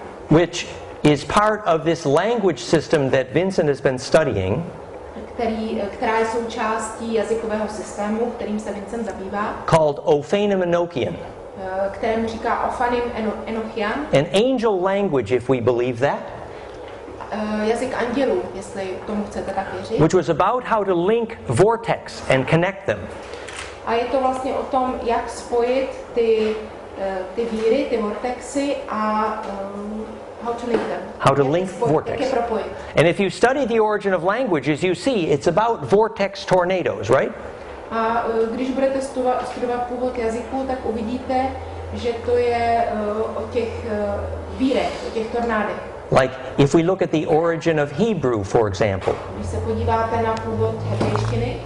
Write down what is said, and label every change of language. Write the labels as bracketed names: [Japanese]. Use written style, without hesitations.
[English] Which is part of this language system that Vincent has been studying. [Czech] Která je součástí jazykového systému, kterým se Vincent zabývá. [English] Called Ophanim Enochian. [Czech] Kterému říká Ophanim Enochian. [English] An angel language, if we believe that. [Czech] Jazyk andělů, jestli tomu chcete tak věřit. [English] Which was about how to link vortex and connect them. [Czech] A je to vlastně o tom, jak spojit ty víry, ty vortexy a [English] how to link them. How to link vortex. And if you study the origin of languages, you see it's about vortex tornadoes, right? [Czech] A když budete studovat původ jazyků, tak uvidíte, že to je o těch vírech, o těch tornádech. [English] Like, if we look at the origin of Hebrew, for example. [Czech] Když se podíváte na původ hebrejštiny.